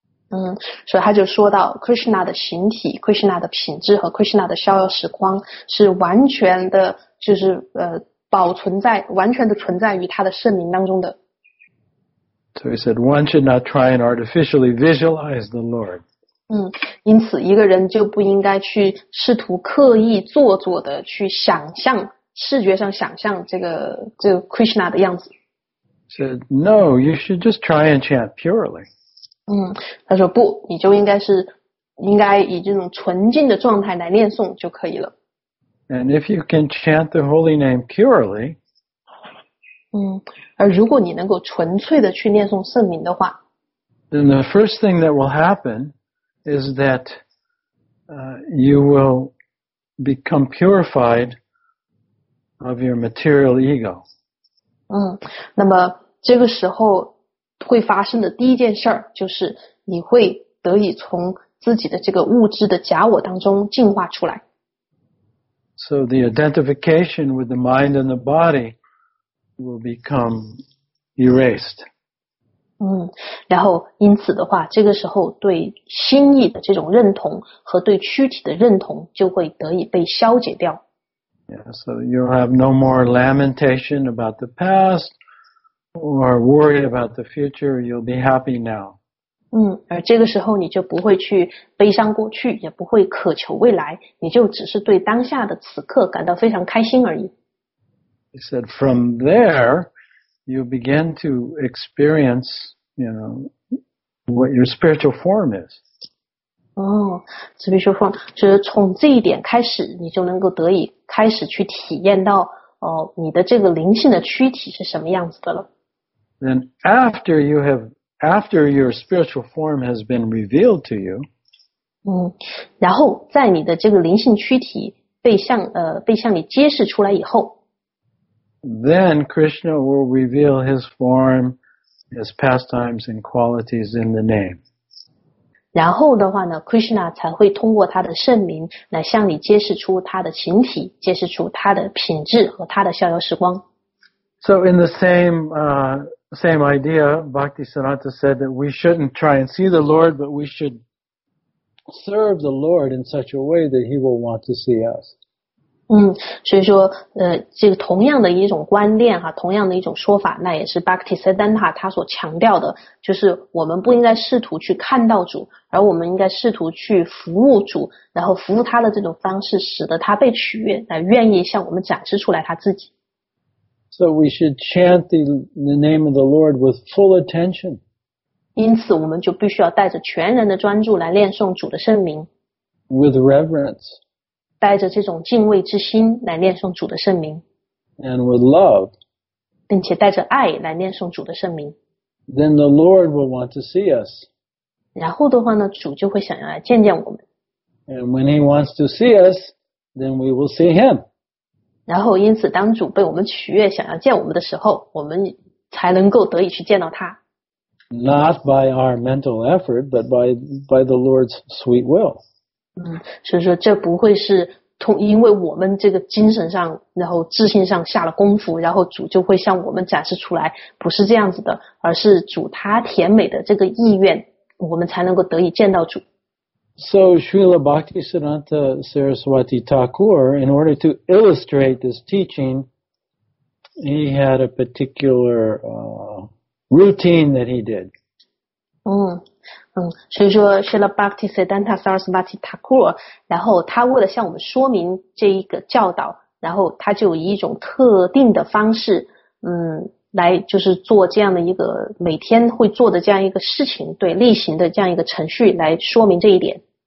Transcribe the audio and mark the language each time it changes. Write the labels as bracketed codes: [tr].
[zh] 嗯，所以他就说到 Krishna 的形体 Krishna 的品质和 Krishna 的逍遥时光是完全的就是保存在完全的存在于他的圣名当中的。 [en] So he said, one should not try and artificially visualize the Lord. [zh] 嗯，因此一个人就不应该去试图刻意做作的去想象视觉上想象这个 Krishna 的样子。 [en] Said, no, you should just try and chant purely. [zh] 嗯，他说不，你就应该以这种纯净的状态来念诵就可以了。 [en] And if you can chant the holy name purely, [zh] 嗯，而如果你能够纯粹的去念诵圣名的话 [en] ，then the first thing that will happen is that you will become purified. Of your material ego. [zh] 嗯，那么这个时候会发生的第一件事儿就是你会得以从自己的这个物质的假我当中进化出来。 [en] So the identification with the mind and the body will become erased. [zh] 嗯，然后因此的话，这个时候对心意的这种认同和对躯体的认同就会得以被消解掉。 [en] Yeah, so you'll have no more lamentation about the past or worry about the future. You'll be happy now. [zh] 嗯，而这个时候你就不会去悲伤过去，也不会渴求未来，你就只是对当下的此刻感到非常开心而已。 [en] He said, from there, you begin to experience, you know, what your spiritual form is. [zh] 哦，所以说，就是从这一点开始，你就能够得以开始去体验到，你的这个灵性的躯体是什么样子的了。 [en] Then after you have, after your spiritual form has been revealed to you, [zh] 嗯，然后在你的这个灵性躯体被向你揭示出来以后 [en] ，then Krishna will reveal his form, his pastimes and qualities in the name. [zh] 然后的话呢 ,Krishna 才会通过他的圣名来向你揭示出他的形体揭示出他的品质和他的逍遥时光。 [en] So in the same idea, Bhakti Sanatha said that we shouldn't try and see the Lord, but we should serve the Lord in such a way that he will want to see us. [zh] 嗯，所以说这个同样的一种观念哈，同样的一种说法，那也是 Bhakti Siddhanta 他所强调的，就是我们不应该试图去看到主，而我们应该试图去服务主，然后服务他的这种方式使得他被取悦，来愿意向我们展示出来他自己。 [en] So we should chant the name of the Lord with full attention. [zh] 因此我们就必须要带着全人的专注来念诵主的圣名。 [en] With reverence. [zh] 带着这种敬畏之心来念诵主的圣名 [en] and with love, [zh] 并且带着爱来念诵主的圣名 [en] then the Lord will want to see us. [zh] 然后的话呢主就会想要来见见我们 [en] and when he wants to see us, then we will see him. [zh] 然后因此当主被我们取悦想要见我们的时候我们才能够得以去见到他 [en] not by our mental effort, but by the Lord's sweet will. [zh] 嗯，所以说这不会是通，因为我们这个精神上，然后自信上下了功夫，然后主就会向我们展示出来，不是这样子的，而是主他甜美的这个意愿，我们才能够得以见到主。 [en] So Srila Bhaktisiddhanta Saraswati Thakur, in order to illustrate this teaching, he had a particular routine that he did. [zh] 所以说 Srila Bhaktisiddhanta Saraswati Thakur, 然后他为了向我们说明这一个教导，然后他就以一种特定的方式， 来就是做这样的一个每天会做的这样一个事情，对，例行的这样一个程序来说明这一点。